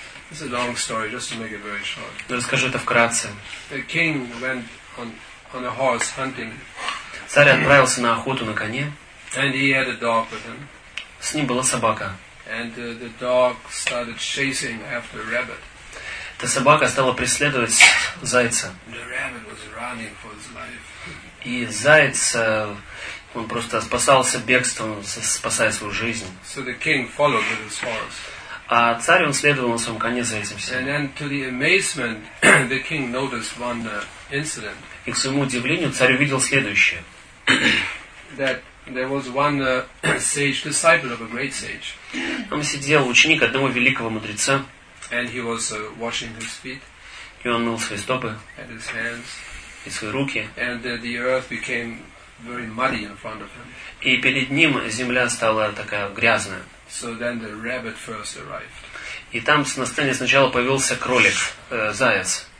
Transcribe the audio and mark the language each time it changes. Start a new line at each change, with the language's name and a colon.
English: It's a long story, just to make it very short.
Russian: Расскажу это вкратце.
English: The king went on a horse hunting.
Russian: Царь отправился на охоту на коне.
English: And he had a dog with him.
Russian: С ним была собака.
English: And the dog started chasing after a rabbit.
Russian: Эта собака стала преследовать зайца.
English: The rabbit was running for his life.
Russian: И заяц, он просто спасался бегством, спасая свою жизнь.
English: So the king followed with his horse.
Russian: А царь, он следовал на своем коне за этим всем.
English: And then, to the amazement, the king noticed one incident.
Russian: И к своему удивлению, царь увидел следующее.
English: That there was one sage, disciple of a great sage.
Russian: Там сидел ученик одного великого мудреца.
English: And he was washing his feet.
Russian: И он мыл свои стопы.
English: And his hands.
Russian: И свои руки.
English: And the earth became very muddy in front of him.
Russian: И перед ним земля стала такая грязная.
English: So then the rabbit first arrived.
Russian: И там на сцене сначала появился кролик, заяц.